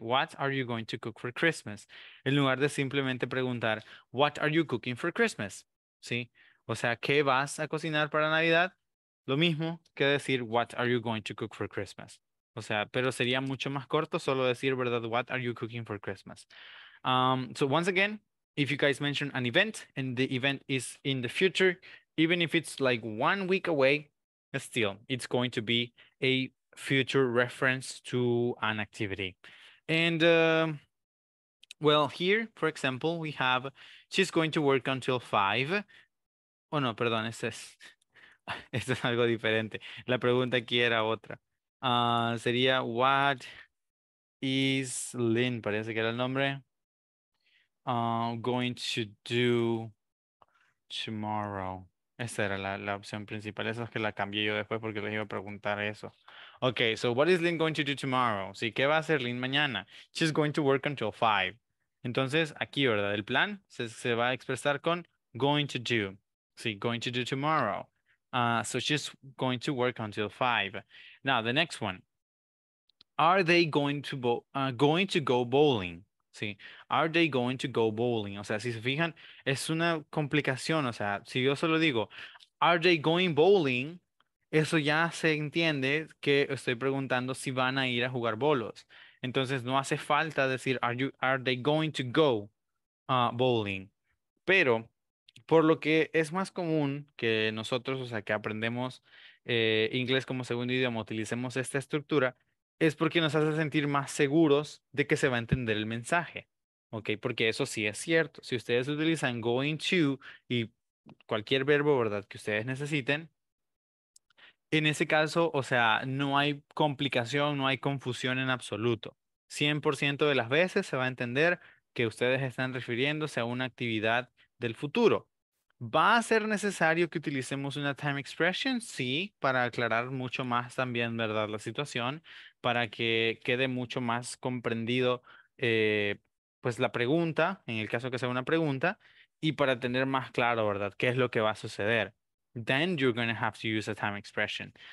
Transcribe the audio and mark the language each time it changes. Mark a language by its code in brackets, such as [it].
[en] What are you going to cook for Christmas? [es] En lugar de simplemente preguntar, [en] what are you cooking for Christmas? [es] ¿Sí? O sea, ¿qué vas a cocinar para Navidad? Lo mismo que decir, [en] what are you going to cook for Christmas? [es] O sea, pero sería mucho más corto solo decir, ¿verdad? [en] What are you cooking for Christmas? So once again, if you guys mention an event and the event is in the future, even if it's like 1 week away, still, it's going to be a future reference to an activity. And, well, here, for example, we have, she's going to work until 5. [es] Oh, no, perdón, esto es algo diferente. La pregunta aquí era otra. Sería, [en] what is Lynn, [es] parece que era el nombre, [en] going to do tomorrow? [es] Esa era la opción principal. Esa es que la cambié yo después porque les iba a preguntar eso. [en] Okay, so what is Lynn going to do tomorrow? [es] Sí, ¿qué va a hacer Lynn mañana? [en] She's going to work until 5. [es] Entonces, aquí, ¿verdad? El plan se va a expresar con going to do. Sí, [en] going to do tomorrow. So she's going to work until 5. Now, the next one. Are they going to go bowling? [es] Sí. [en] Are they going to go bowling? [es] O sea, si se fijan, es una complicación. O sea, si yo solo digo, [en] are they going bowling? [es] Eso ya se entiende que estoy preguntando si van a ir a jugar bolos. Entonces, no hace falta decir, [en] are they going to go bowling? [es] Pero, por lo que es más común que nosotros, o sea, que aprendemos inglés como segundo idioma, utilicemos esta estructura, es porque nos hace sentir más seguros de que se va a entender el mensaje, ¿ok? Porque eso sí es cierto. Si ustedes utilizan going to y cualquier verbo, ¿verdad?, que ustedes necesiten, en ese caso, o sea, no hay complicación, no hay confusión en absoluto. 100% de las veces se va a entender que ustedes están refiriéndose a una actividad del futuro. ¿Va a ser necesario que utilicemos una time expression? Sí, para aclarar mucho más también, ¿verdad? La situación, para que quede mucho más comprendido, pues la pregunta, en el caso que sea una pregunta, y para tener más claro, ¿verdad? ¿Qué es lo que va a suceder? [en] Then you're going to have to use a time expression.